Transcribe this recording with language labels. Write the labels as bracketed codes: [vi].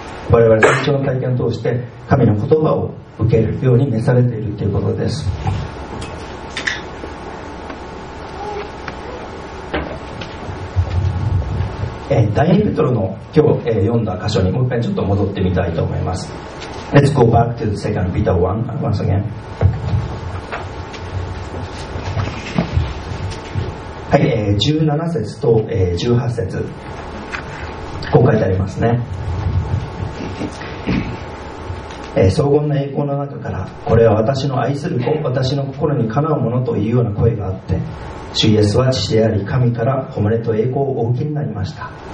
[ja] 我々三鳥の体験を通して神の言葉を受けるように召されているということです。第2ペトロの今日読んだ箇所にもう一回ちょっと戻ってみたいと思います。 [en] Let's go back to the second Peter 1 once again. [ja] はい、17節と18節こう書いてありますね。荘厳な栄光の中から、これは私の愛する子、私の心にかなうものというような声があって、主イエスは父であり神から誉れと栄光をお受けになりました。